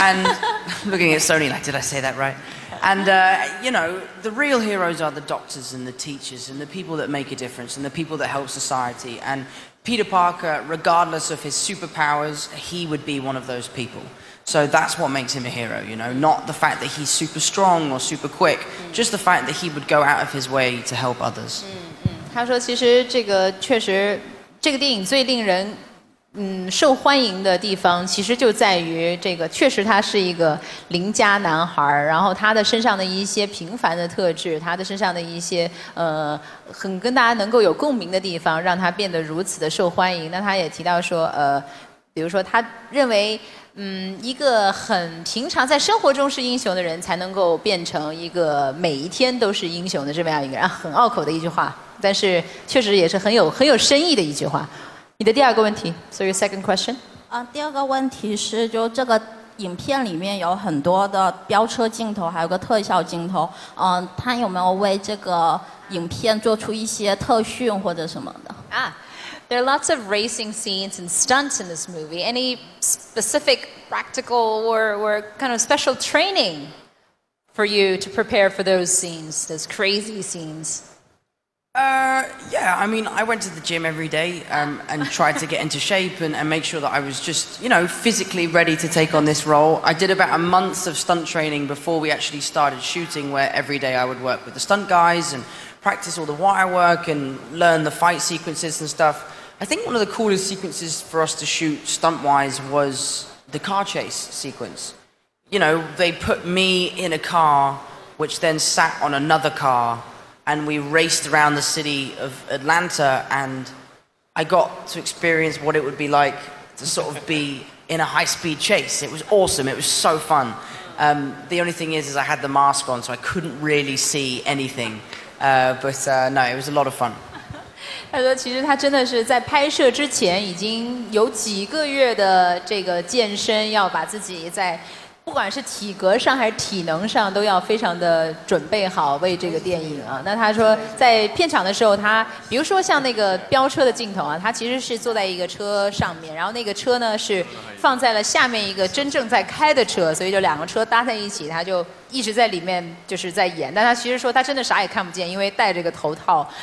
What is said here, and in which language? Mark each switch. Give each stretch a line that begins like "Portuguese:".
English: And looking at Sony, like, did I say that right? And, you know, the real heroes are the doctors and the teachers and the people that make a difference and the people that help society. And Peter Parker, regardless of his superpowers, he would be one of those people. So that's what makes him a hero, you know, not the fact that he's super strong or super quick, just the fact that he would go out of his way to help others.
Chinese: 他说其实这个确实这个电影最令人受欢迎的地方其实就在于这个确实他是一个邻家男孩然后他的身上的一些平凡的特质他的身上的一些很跟大家能够有共鸣的地方让他变得如此的受欢迎那他也提到说比如说他认为一个很平常在生活中是英雄的人才能够变成一个每一天都是英雄的这么样一个人很拗口的一句话但是确实也是很有深意的一句话你的第二个问题
English: So your second question
Chinese: 第二个问题是就这个影片里面有很多的飙车镜头还有个特效镜头他有没有为这个影片做出一些特训或者什么的
English: There are lots of racing scenes and stunts in this movie. Any specific practical or kind of special training for you to prepare for those scenes, those crazy scenes? Yeah, I mean, I went to the gym every day and tried to get into shape and make sure that I was just, you know, physically ready to take on this role. I did about a month of stunt training before we actually started shooting where every day I would work with the stunt guys and practice all the wire work and learn the fight sequences and stuff. I think one of the coolest sequences for us to shoot stunt-wise was the car chase sequence. You know, they put me in a car, which then sat on another car, and we raced around the city of Atlanta, and I got to experience what it would be like to sort of be in a high-speed chase. It was awesome. It was so fun. The only thing is I had the mask on, so I couldn't really see anything. But it was a lot of fun.
Chinese: 他说其实他真的是在拍摄之前已经有几个月的这个健身要把自己在不管是体格上还是体能上都要非常的准备好为这个电影啊那他说在片场的时候他比如说像那个飙车的镜头啊他其实是坐在一个车上面然后那个车呢是放在了下面一个真正在开的车所以就两个车搭在一起他就一直在里面就是在演但他其实说他真的啥也看不见因为戴这个头套